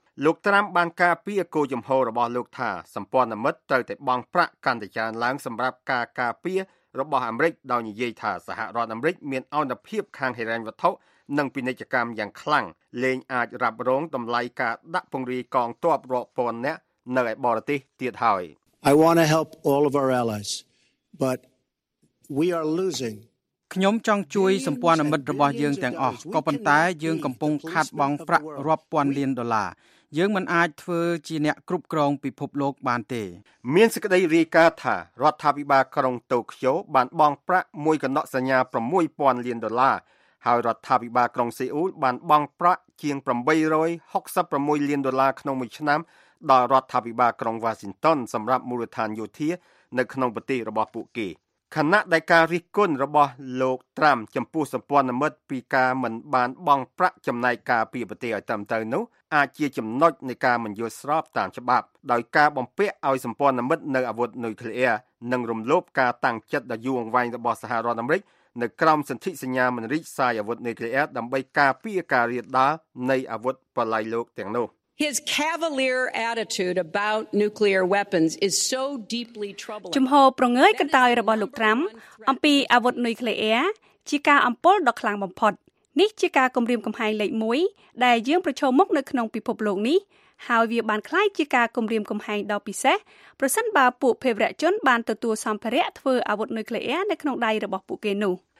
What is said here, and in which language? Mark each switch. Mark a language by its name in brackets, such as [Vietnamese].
[Khmer] លោកត្រាំបានការពារគោលជំហររបស់លោកថាសម្ព័ន្ធមិត្តត្រូវតែបង់ប្រាក់កាន់តែច្រើនឡើងសម្រាប់ការការពាររបស់អាមេរិកដោយនិយាយថាសហរដ្ឋអាមេរិកមានអន្តរភាពខាងហិរញ្ញវត្ថុនិងពាណិជ្ជកម្មយ៉ាងខ្លាំងលែងអាចរ៉ាប់រងតម្លៃការដាក់ពង្រាយកងទ័ពរាប់ពាន់នាក់នៅឯបរទេសទៀតហើយ [English] I want to help all of our allies but we are losing [Khmer] ខ្ញុំចង់ជួយសម្ព័ន្ធមិត្តរបស់យើងទាំងអស់ក៏ប៉ុន្តែយើងកំពុងខាតបង់ប្រាក់រាប់ពាន់លានដុល្លារយើងមិនអាចធ្វើជាអ្នកគ្រប់គ្រងពិភពលោកបានទេ មានសេចក្តីរាយការណ៍ថារដ្ឋាភិបាលក្រុងតូក្យូបានបង់ប្រាក់មួយកណ្ដក់សញ្ញា6000លានដុល្លារហើយរដ្ឋាភិបាលក្រុងសេអ៊ូលបានបង់ប្រាក់ជាង866លានដុល្លារក្នុងមួយឆ្នាំ ដល់រដ្ឋាភិបាលក្រុងវ៉ាស៊ីនតោនសម្រាប់មូលដ្ឋានយោធានៅក្នុងប្រទេសរបស់ពួកគេគណៈដឹកការរិះគន់របស់លោកត្រាំចំពោះសម្ព័ន្ធមិត្តពីការមិនបានបង់ប្រាក់ចំណាយការពីប្រទេសឲ្យតាមទៅនោះអាចជាចំណុចនៃការមិនយល់ស្របតាមច្បាប់ដោយការបំពាក់ឲ្យសម្ព័ន្ធមិត្តនៅអាវុធនុយក្លេអ៊ែរនិងរំលោភការតាំងចិត្តដ៏យូរអង្វែងរបស់សហរដ្ឋអាមេរិកនៅក្រោមសន្ធិសញ្ញាមិនរីកសាយអាវុធនុយក្លេអ៊ែរដើម្បីការពារការរាលដាលនៃអាវុធបល័យលោកទាំងនោះ [English] His cavalier attitude about nuclear weapons is so deeply troubling. [Khmer] ជំហរប្រងើយកន្តើយរបស់លោកត្រាំអំពីអាវុធនុយក្លេអ៊ែរជាការអំពលដ៏ខ្លាំងបំផុតនេះជាការគំរាមកំហែងលេខ1ដែលយើងប្រឈមមុខនៅក្នុងពិភពលោកនេះហើយវាបានក្លាយជាការគំរាមកំហែងដ៏ពិសេសប្រសិនបើពួកភេរវជនបានទទួលសម្ភារៈធ្វើអាវុធនុយក្លេអ៊ែរនៅក្នុងដៃរបស់ពួកគេនោះ